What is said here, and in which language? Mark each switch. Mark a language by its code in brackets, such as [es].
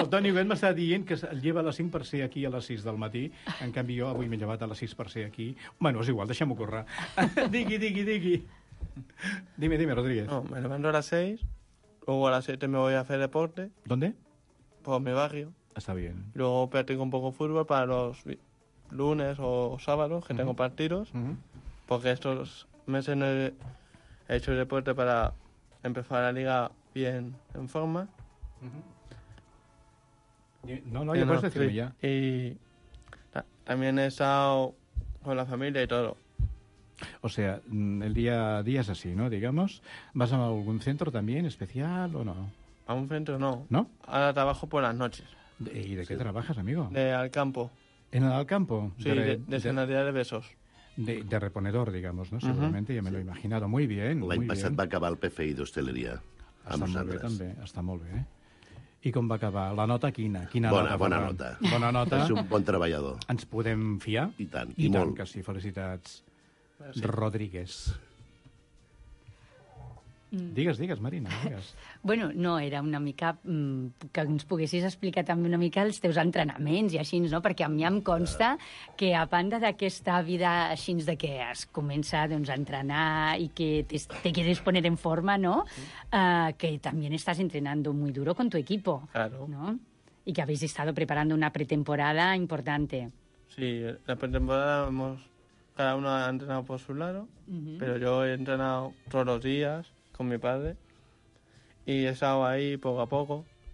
[ca] El Toni Guet m'està dient que el lleva a les 5 per ser aquí a les 6 del matí. En canvi, jo avui m'he llevat a les 6 per ser aquí. Bueno, és igual, deixem-ho currar. Digui. [es] Dime, [ca] Rodríguez. [es] No, me levanto a las 6, luego a las 7 me voy a hacer deporte. ¿Dónde? Por mi barrio. Está bien. Luego practico un poco fútbol para los lunes o sábados, que tengo partidos, porque estos meses no he hecho el deporte para empezar la liga bien en forma. Y ya puedes decirlo ya. Y también he estado con la familia y todo. O sea, el día a día es así, ¿no? Digamos, ¿vas a algún centro también especial o no? A un centro no. ¿No? Ahora trabajo por las noches. ¿Y de qué trabajas, amigo? De Alcampo. ¿En el Alcampo? Sí, de Sanidad de Besos. De reponedor, digamos, ¿no? Seguramente, ya me lo he imaginado. Muy bien, muy bien. [ca] L'any passat va acabar el PFI d'hostaleria. Està molt bé, també. Està molt bé. I com va acabar? La nota quina? Quina nota? Bona nota. Bona nota. És un bon treballador. Ens podem fiar? I tant. I tant que sí. Felicitats. Rodríguez. Digues, Marina, digues. Bueno, no, era una mica que ens poguessis explicar també una mica els teus entrenaments i així, no? Perquè a mi em consta que a banda d'aquesta vida així de que es comença doncs, a entrenar i [es] que te quieres poner en forma, [ca] no? Que també estàs [es] entrenando muy duro con tu equipo. Claro. ¿No? Y que habéis estado preparando una pretemporada importante. Sí, la pretemporada cada uno ha entrenado por su lado, pero yo he entrenado todos los días con mi padre, y he estado ahí poco a poco.